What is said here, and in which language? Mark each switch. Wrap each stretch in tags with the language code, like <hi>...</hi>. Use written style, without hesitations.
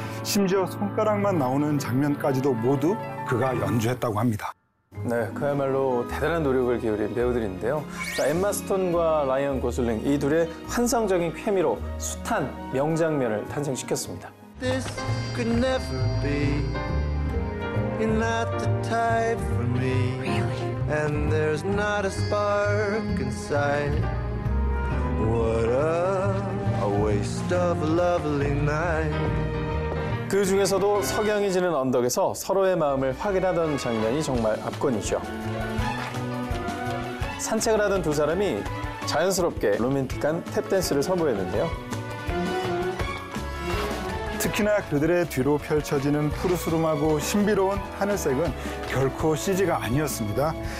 <ko>심지어 손가락만 나오는 장면까지도 모두 그가 연주했다고 합니다. 네, 그야말로 대단한 노력을 기울인 배우들인데요. 자, 엠마 스톤과 라이언 고슬링 이 둘의 환상적인 케미로 숱한 명장면을 탄생시켰습니다.</ko> <en>This could never be. You're not the type for me. Really? And there's not a spark inside. What a waste of a lovely night.</en> <ko>그 중에서도 석양이 지는 언덕에서 서로의 마음을 확인하던 장면이 정말 압권이죠. 산책을 하던 두 사람이 자연스럽게 로맨틱한 탭댄스를 선보였는데요. 특히나 그들의 뒤로 펼쳐지는 푸르스름하고 신비로운 하늘색은 결코 CG가 아니었습니다.</ko>